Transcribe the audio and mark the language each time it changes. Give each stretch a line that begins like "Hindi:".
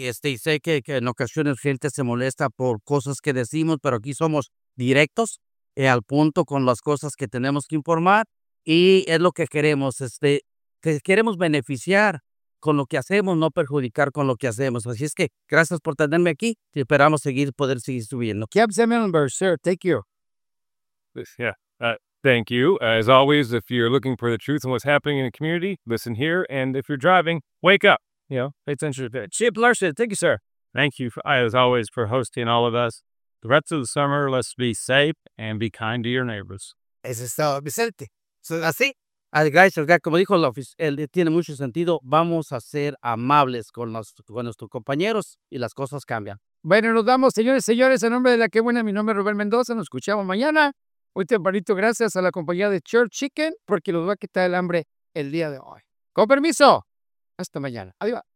Spanish: Y sé que en ocasiones gente se molesta por cosas que decimos, pero aquí somos directos y al punto con las cosas que tenemos que informar. Y es lo que queremos, que queremos beneficiar con lo que hacemos, no perjudicar con lo que hacemos. Así es que gracias por tenerme aquí y esperamos poder seguir subiendo.
English: Keep the member, sir. Thank you. Yeah, thank you. As always, if you're looking for the truth and what's happening in the community, listen here. And if you're driving, wake up. You know, pay attention to it. Chip Larson, thank you, sir. Thank you, as always, for hosting all of us. The rest of the summer, let's be safe and be kind to your neighbors.
Spanish: Eso es todo, Vicente. Así, gracias, como dijo el oficial, tiene mucho sentido. Vamos a ser amables con nuestros compañeros y las cosas cambian. Bueno, nos damos, señores, en nombre de la Qué Buena. Mi nombre es Rubén Mendoza. Nos escuchamos mañana. Muy tempranito, gracias a la compañía de Church Chicken, porque nos va a quitar el hambre el día de hoy. Con permiso, hasta mañana. Adiós.